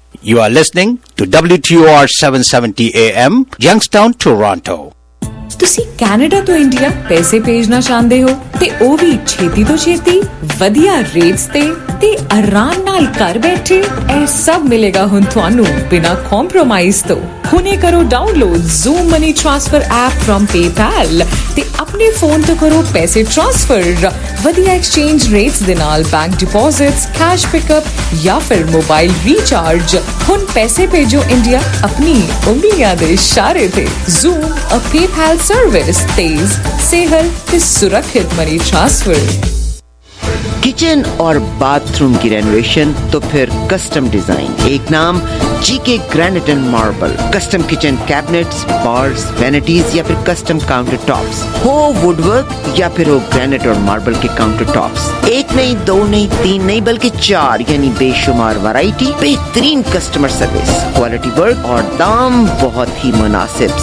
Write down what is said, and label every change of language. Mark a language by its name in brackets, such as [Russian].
[English] You are listening to WTOR 770 AM, Youngstown, Toronto. [Punjabi] ਤੁਸੀਂ Canada ਤੋਂ India ਪੈਸੇ ਭੇਜਣਾ ਚਾਹੁੰਦੇ ਹੋ ਤੇ ਉਹ ਵੀ ਛੇਤੀ ਤੋਂ ਛੇਤੀ ਵਧੀਆ ਰੇਟਸ ਤੇ ਆਰਾਮ ਨਾਲ ਘਰ ਬੈਠੇ? ਇਹ ਸਭ ਮਿਲੇਗਾ ਹੁਣ ਤੁਹਾਨੂੰ ਬਿਨਾਂ ਕੰਪਰੋਮਾਈਜ਼ ਤੋਂ। ਹੁਣੇ ਕਰੋ download zoom money transfer app from PayPal ਤੇ ਆਪਣੇ ਫੋਨ ਤੋਂ ਕਰੋ ਪੈਸੇ ਟ੍ਰਾਂਸਫਰ। ਵਧੀਆ ਐਕਸਚੇਂਜ ਰੇਟਸ ਦੇ ਨਾਲ ਬੈਂਕ ਡਿਪੋਜ਼ਿਟਸ, ਕੈਸ਼ ਪਿਕਅਪ ਜਾਂ ਫਿਰ ਮੋਬਾਈਲ ਰੀਚਾਰਜ। ਹੁਣ ਪੈਸੇ ਭੇਜੋ ਇੰਡੀਆ ਆਪਣੀ ਉਮੀਦਾਂ ਦੇ ਇਸ਼ਾਰੇ ਤੇ। ਜ਼ੂਮ, ਅ PayPal ਸਰਵਿਸ, ਤੇਜ਼, ਸਿਹਰ ਤੇ ਸੁਰੱਖਿਅਤ ਮਨੀ ਟ੍ਰਾਂਸਫਰ। [Hindi] किचन और बाथरूम की रेनोवेशन तो फिर कस्टम डिजाइन, एक नाम GK granite and marble, custom kitchen cabinets, bars, vanities या फिर कस्टम काउंटर टॉप्स, हो वुडवर्क या फिर हो ग्रेनाइट और मार्बल के काउंटर टॉप्स, एक नहीं, दो नहीं, तीन नहीं बल्कि 4, यानी बेशुमार वैरायटी, बेहतरीन कस्टमर सर्विस, क्वालिटी वर्क और दाम बहुत ही मुनासिब।